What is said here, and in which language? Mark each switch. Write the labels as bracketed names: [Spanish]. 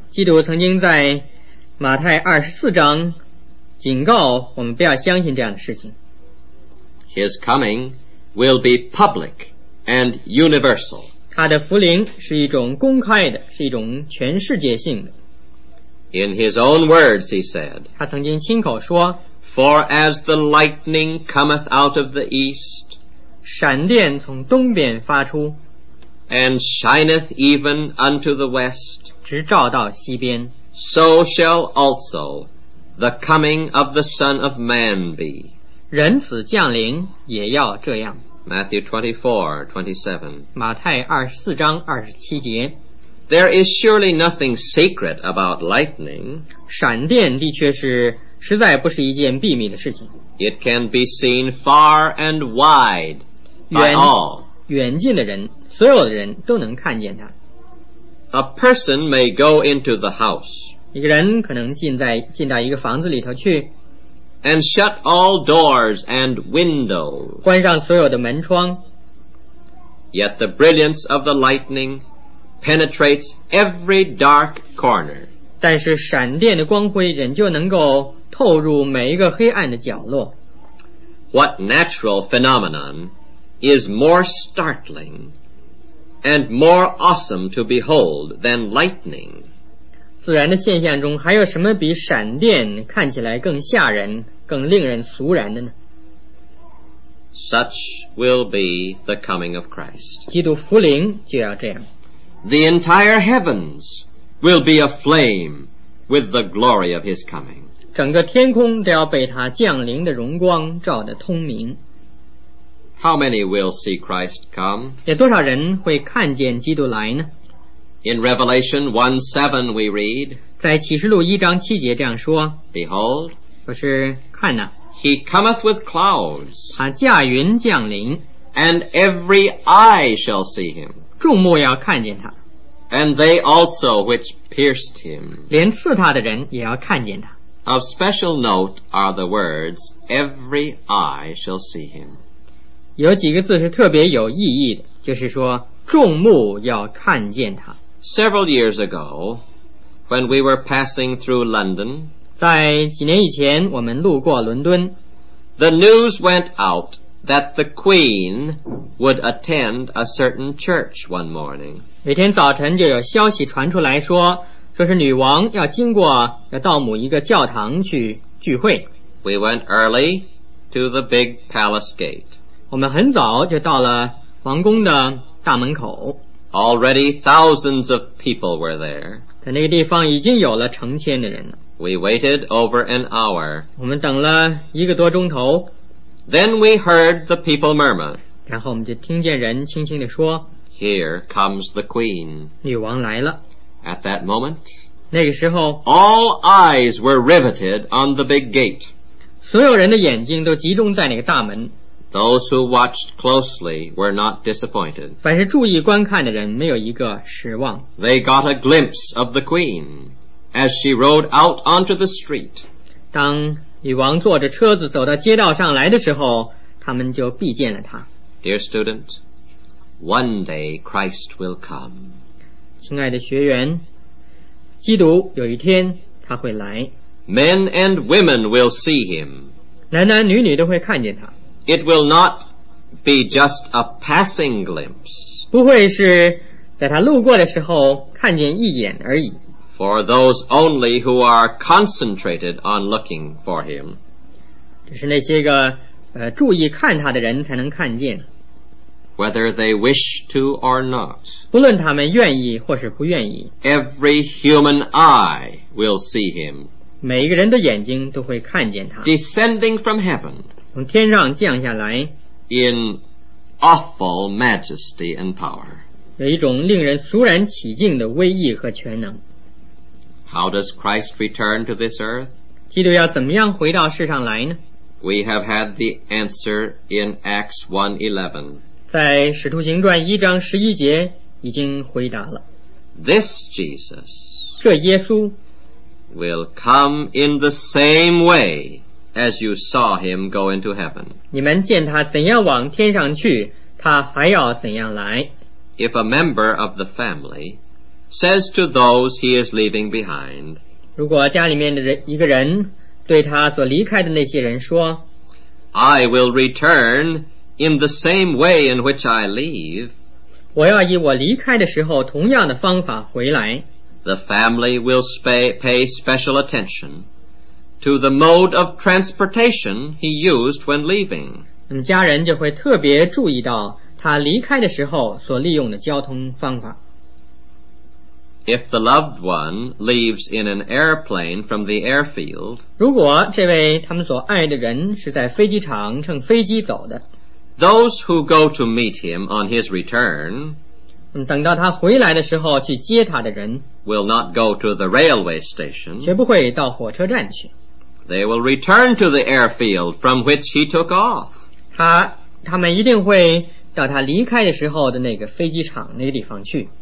[Chinese] 基督曾经在马太24章警告我们不要相信这样的事情。 [English] His coming will be public and universal. [Chinese] 他的福临是一种公开的，是一种全世界性的。 [English] In his own words, he said. [Chinese] 他曾经亲口说 [English] For as the lightning cometh out of the east, [Chinese] 闪电从东边发出 [English] and shineth even unto the west, [Chinese] 直照到西边 [English] so shall also the coming of the Son of Man be. [Chinese] 人子降临也要这样 [English] Matthew 24:27. [Chinese] 马太24章27节 [English] There is surely nothing secret about lightning. [Chinese] 闪电的确是实在不是一件秘密的事情 [English] It can be seen far and wide by all [Chinese] 远近的人所有的人都能看见它 [English] A person may go into the house [Chinese] 一个人可能进到一个房子里头去 [English] And shut all doors and windows [Chinese] 关上所有的门窗 [English] Yet the brilliance of the lightning penetrates every dark corner [Chinese] 但是闪电的光辉仍旧能够透入每一个黑暗的角落 [English] What natural phenomenon is more startling and more awesome to behold than lightning [Chinese] 自然的现象中还有什么比闪电看起来更吓人更令人肃然的呢 [English] Such will be the coming of Christ [Chinese] 基督福临就要这样 [English] The entire heavens will be aflame with the glory of his coming [Chinese] 整个天空都要被他降临的荣光照得通明 [English] How many will see Christ come? [Chinese] 有多少人会看见基督来呢 [English] In Revelation 1:7 we read [Chinese] 在启示录一章七节这样说 [English] Behold [Chinese] 就是看哪 [English] He cometh with clouds [Chinese] 他驾云降临 [English] And every eye shall see him [Chinese] 众目要看见他 [English] And they also which pierced him [Chinese] 连刺他的人也要看见他 [English] Of special note are the words, every eye shall see him. [Chinese] 有几个字是特别有意义的，就是说众目要看见他。 [English] Several years ago, when we were passing through London, [Chinese] 在几年以前我们路过伦敦 [English] the news went out that the Queen would attend a certain church one morning. [Chinese] 每天早晨就有消息传出来说说是女王要经过要到某一个教堂去聚会 [English] We went early to the big palace gate [Chinese] 我们很早就到了皇宫的大门口 [English] Already thousands of people were there [Chinese] 在那个地方已经有了成千的人了 [English] We waited over an hour [Chinese] 我们等了一个多钟头 [English] Then we heard the people murmur [Chinese] 然后我们就听见人轻轻地说 [English] Here comes the queen [Chinese] 女王来了 [English] At that moment, [Chinese] 那个时候, [English] all eyes were riveted on the big gate. [Chinese] 所有人的眼睛都集中在那个大门。 [English] Those who watched closely were not disappointed. [Chinese] 凡是注意观看的人没有一个失望。 [English] They got a glimpse of the queen as she rode out onto the street. [Chinese] 当女王坐着车子走到街道上来的时候,他们就避见了她。 [English] Dear student, one day Christ will come. [Chinese] 亲爱的学员基督有一天他会来 [English] Men and women will see him [Chinese] 男男女女都会看见他 [English] It will not be just a passing glimpse [Chinese] 不会是在他路过的时候看见一眼而已 [English] For those only who are concentrated on looking for him [Chinese] 就是那些个注意看他的人才能看见。 [English] Whether they wish to or not, [Chinese] 不论他们愿意或是不愿意， [English] every human eye will see him. [Chinese] 每一个人的眼睛都会看见他。 [English] Descending from heaven, [Chinese] 从天上降下来， [English] in awful majesty and power. [Chinese] 有一种令人肃然起敬的威仪和权能。 [English] How does Christ return to this earth? [Chinese] 基督要怎么样回到世上来呢？ [English] We have had the answer in Acts 1:11. [Chinese] 在《使徒行传》一章十一节已经回答了。 [English] This Jesus, [Chinese] 这耶稣 [English] will come in the same way as you saw him go into heaven. [Chinese] 你们见他怎样往天上去，他还要怎样来。 [English] If a member of the family says to those he is leaving behind, [Chinese] 如果家里面的一个人对他所离开的那些人说， [English] I will return. In the same way in which I leave, [Chinese] 我要以我离开的时候同样的方法回来。 [English] The family will pay special attention to the mode of transportation he used when leaving. [Chinese] 那么家人就会特别注意到他离开的时候所利用的交通方法。 [English] If the loved one leaves in an airplane from the airfield, [Chinese] 如果这位他们所爱的人是在飞机场乘飞机走的。 [English] Those who go to meet him on his return, [Chinese] 等到他回来的时候去接他的人， [English] will not go to the railway station, [Chinese] 绝不会到火车站去。 [English] They will return to the airfield from which he took off. [Chinese] 他们一定会到他离开的时候的那个飞机场那个地方去。